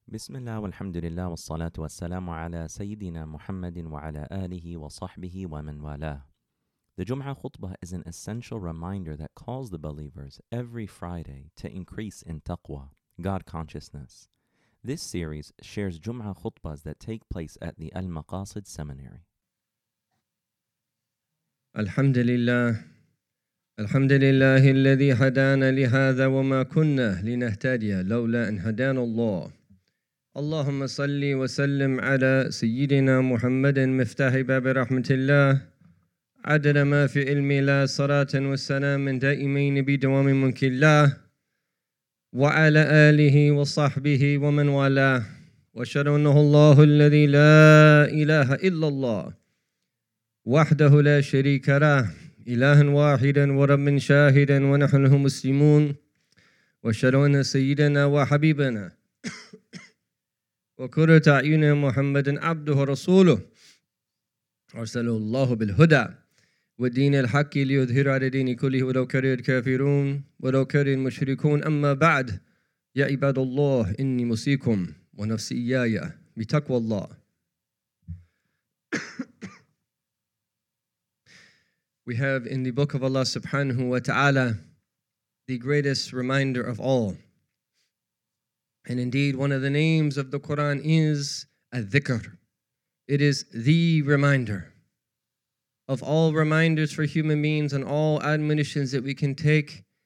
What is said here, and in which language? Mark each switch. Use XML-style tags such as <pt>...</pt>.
<ar>بسم الله والحمد لله والصلاة والسلام على سيدنا محمد وعلى آله وصحبه ومن والاه.</ar> <en>The Jum'ah khutbah is an essential reminder that calls the believers every Friday to increase in taqwa, God consciousness. This series shares Jum'ah khutbahs that take place at the Al-Maqasid Seminary.</en> <ar>الحمد لله الحمد لله الذي هدانا لهذا وما كنا لنهتدي لولا أن هدانا الله. اللهم صل وسلم على سيدنا محمد مفتاح باب رحمة الله عدد ما في علم الله صلاة والسلام من دائمين بدوام ملك الله وعلى آله وصحبه ومن والاه وأشهد أنه الله الذي لا إله إلا الله وحده لا شريك له إلها واحدا ورب شاهدا ونحن له مسلمون وأشهد أن سيدنا وحبيبنا وكرة عيون محمد عبده ورسوله أرسله الله بالهدى والدين الحق ليظهر على دين كله ولو كره الكافرون ولو كره المشركون أما بعد يا عباد الله إني موصيكم ونفسي إياي بتقوى الله.</ar> <en>We have in the book of Allah subhanahu wa ta'ala the greatest reminder of all. And indeed, one of the names of the Quran is al-dhikr. It is the reminder of all reminders for human beings and all admonitions that we can take.</en>